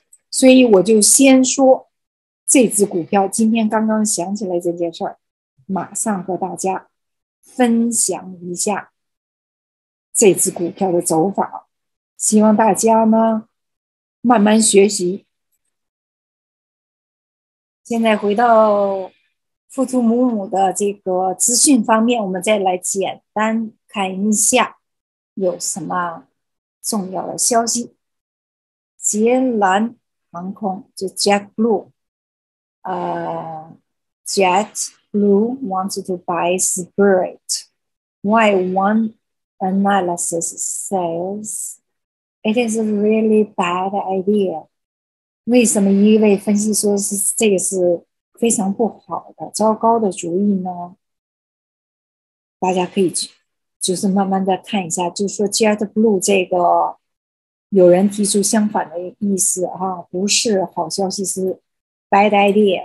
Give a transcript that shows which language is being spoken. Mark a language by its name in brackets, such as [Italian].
[Chinese] 所以我就先说这只股票，今天刚刚想起来这件事儿，马上和大家分享一下这只股票的走法，希望大家呢慢慢学习。现在回到富途母母的这个资讯方面，我们再来简单看一下有什么重要的消息。捷兰航空就 [English] JetBlue wanted to buy Spirit. Why one analysis says it is a really bad idea? [Chinese] 为什么一位分析说是这个是非常不好的、糟糕的主意呢？大家可以去，就是慢慢的看一下，就是说 JetBlue 这个，有人提出相反的意思啊，不是好消息，是 [English] bad idea。